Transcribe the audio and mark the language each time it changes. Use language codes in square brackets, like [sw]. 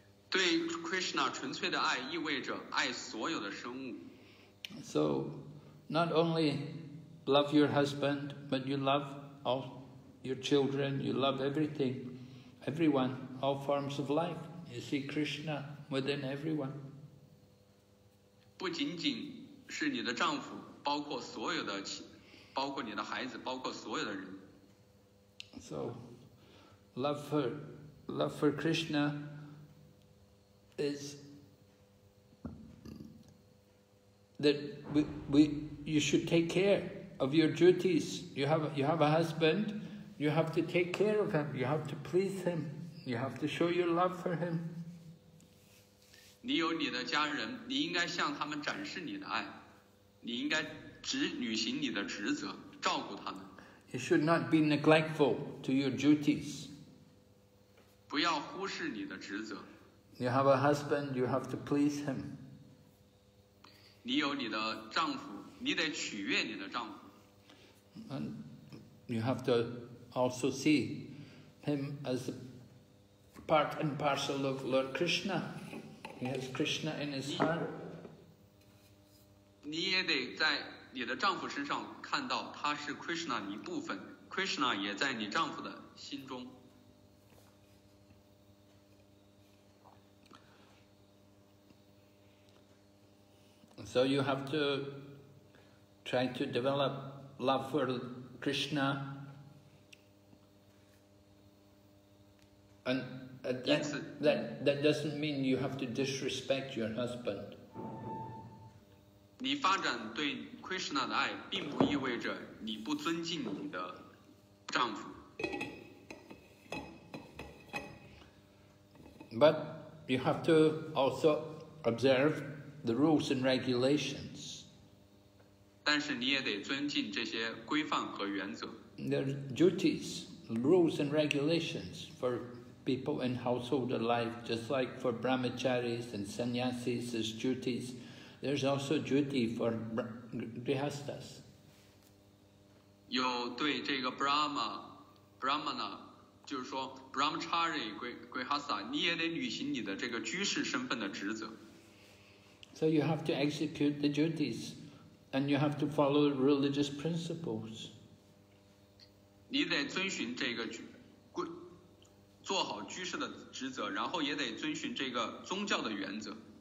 [zh] 对 Krishna 纯粹的爱意味着爱所有的生物。 [en] So, not only love your husband, but you love all your children, you love everything, everyone, all forms of life. You see Krishna within everyone. [zh] 不仅仅是你的丈夫，包括所有的，包括你的孩子，包括所有的人。 [en] So, love for Krishna. Is that you should take care of your duties. You have a husband, you have to take care of him, you have to please him, you have to show your love for him. [zh] 你有你的家人，你应该向他们展示你的爱，你应该履行你的职责，照顾他们。 [en] You should not be neglectful to your duties. [zh] 不要忽视你的职责。 [en] You have a husband, you have to please him. [zh] 你有你的丈夫，你得取悦你的丈夫。 [en] And you have to also see him as part and parcel of Lord Krishna. He has Krishna in his heart. [zh] 你也得在你的丈夫身上看到他是 Krishna 的一部分， Krishna 也在你丈夫的心中。 [en] So you have to try to develop love for Krishna. And that doesn't mean you have to disrespect your husband. [zh] 你发展对 Krishna 的爱并不意味着你不尊敬你的丈夫。 [en] But you have to also observe the rules and regulations. [zh] 但是你也得尊敬这些规范和原则。 [en] their duties, rules and regulations for people in household life, just like for brahmacharis and sannyasis, there's duties. There's also duty for grihasthas. [zh] 有对这个 Brahmana, 就是说 Brahmachari, Grihastha, 你也得履行你的这个居士身份的职责。 [en] So you have to execute the duties, and you have to follow religious principles. [zh] 你得遵循这个做好居士的职责，然后也得遵循这个宗教的原则。